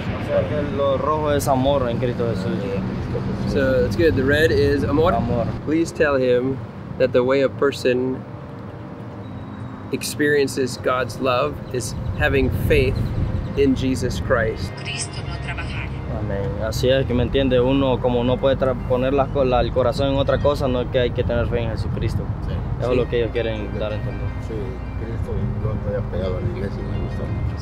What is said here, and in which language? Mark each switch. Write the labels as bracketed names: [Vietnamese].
[Spanish] O sea, que lo rojo es amor en Cristo Jesús. [English] So, it's good. The red is amor. [Spanish] Amor. [English] Please tell him that the way a person experiences God's love is having faith in Jesus Christ. [Spanish] Cristo no trabaja. Amén. Así es que me entiende. Uno, como no puede poner el corazón en otra cosa, no es que hay que tener fe en Jesucristo. Sí. Eso sí. Es lo que ellos quieren sí. Dar a entender. Sí, Cristo, y lo estoy apegado a la iglesia y me gusta mucho.